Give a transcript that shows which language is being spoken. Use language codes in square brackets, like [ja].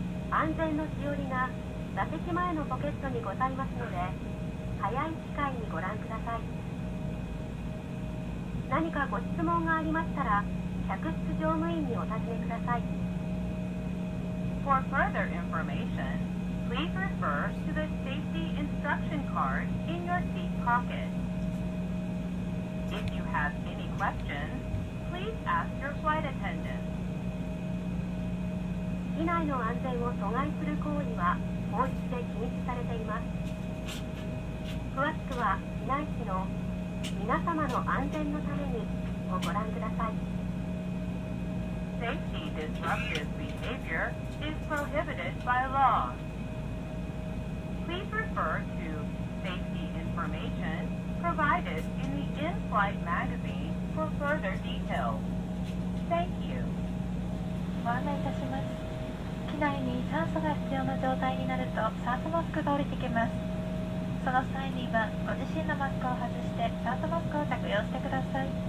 [ja] 安全のしおりが座席前のポケットにございますので早い機会にご覧ください。何かご質問がありましたら客室乗務員にお尋ねください。 [en] For further information, please please refer to the safety instruction card in your seat pocket. If you have any questions, please ask your flight attendant. [ja] 機内の安全を阻害する行為は法律で禁止されています。詳しくは機内機の皆様の安全のためにをご覧ください。 [en] Safety disruptive behavior is prohibited by law. Please refer to safety information provided in the in-flight magazine for further details. Thank you. [ja] ご案内いたします。機内に酸素が必要な状態になると酸素マスクが降りてきます。その際にはご自身のマスクを外して酸素マスクを着用してください。